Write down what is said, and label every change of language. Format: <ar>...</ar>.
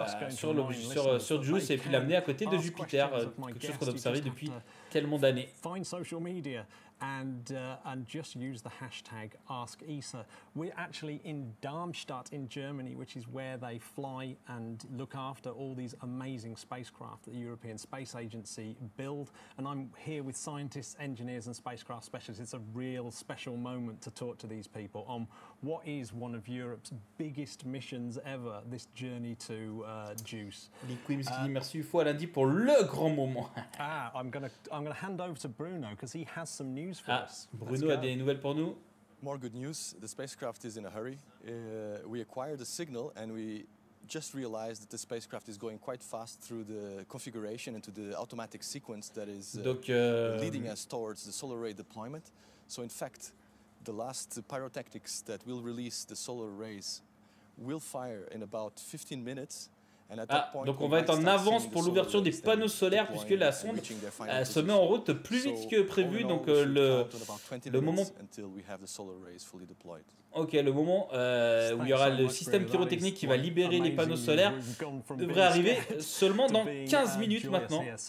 <fr>Sur JUICE et puis l'amener à côté de Jupiter, quelque chose qu'on a observé depuis tellement d'années.</fr> <en>Find social media and just use the hashtag Ask ESA. We're actually in Darmstadt in Germany, which is where they fly and look after all these amazing spacecraft that the European Space Agency build. And I'm here with scientists, engineers and spacecraft specialists. It's a real special moment to talk to these people on what is one of Europe's biggest missions ever, this journey to JUICE.</en> <fr>Merci une fois lundi pour le grand moment.</fr> <en>I'm gonna hand over to Bruno because he has some news for us.</en> <fr>Bruno a des nouvelles pour nous.</fr> <en>More good news. The spacecraft is in a hurry. We acquired a signal and we just realized that the spacecraft is going quite fast through the configuration into the automatic sequence that is leading us towards the solar array deployment. So in fact, the last pyrotechnics that will release the solar rays will fire in about 15 minutes</en> <fr>Donc on va être en avance pour l'ouverture des panneaux solaires puisque la sonde se met en route plus vite que prévu. Donc le moment... Ok, le moment où il y aura le système pyrotechnique qui va libérer les panneaux solaires devrait arriver seulement dans 15 minutes maintenant.</fr>